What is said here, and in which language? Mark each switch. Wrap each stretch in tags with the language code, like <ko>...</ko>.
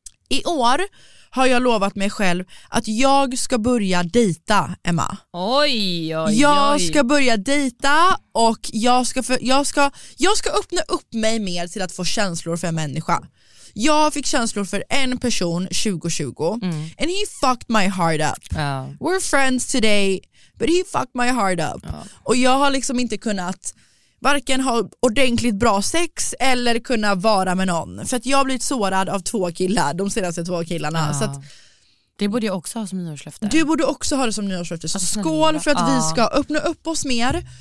<sv>I år har jag lovat mig själv att jag ska börja dejta, Emma. Oj, oj, oj. Jag ska börja dejta och jag ska öppna upp mig mer till att få känslor för en människa. Jag fick känslor för en person 2020. Mm.</sv> <en>And he fucked my heart up. Oh. We're friends today, but he fucked my heart up. Oh.</en> <sv>Och jag har liksom inte kunnat varken ha ordentligt bra sex eller kunna vara med någon. För att jag har blivit sårad av två killar, de senaste två killarna. Ja. Så att, det borde jag också ha som nyårslöfte. Du borde också ha det som nyårslöfte. Så alltså, skål för att vi ska öppna upp oss mer.</sv>